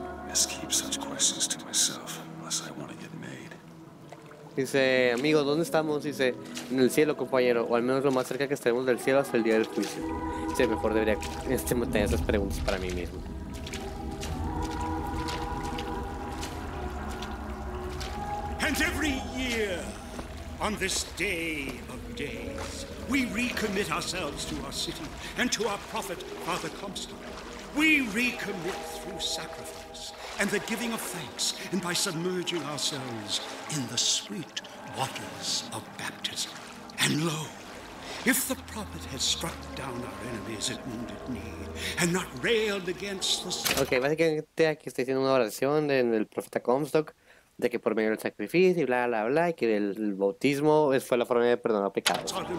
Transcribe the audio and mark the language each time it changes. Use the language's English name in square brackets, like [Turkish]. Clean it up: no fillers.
[English] Just keep such questions to myself unless I want to get made. [Spanish] Dice, amigo, ¿dónde estamos? Dice, en el cielo, compañero, o al menos lo más cerca que estaremos del cielo hasta el día del juicio. Sí, mejor debería tener esas preguntas para mí mismo. [English] And every year, on this day of days, we recommit ourselves to our city and to our prophet, Father Comstock. We recommit through sacrifice and the giving of thanks and by submerging ourselves in the sweet waters of baptism. And lo, if the prophet has struck down our enemies at wounded knee and not railed against the... [Spanish] Okay, básicamente aquí estoy haciendo una oración en el profeta Comstock. De que por medio del sacrificio y bla bla bla, y que el bautismo fue la forma de perdonar pecados.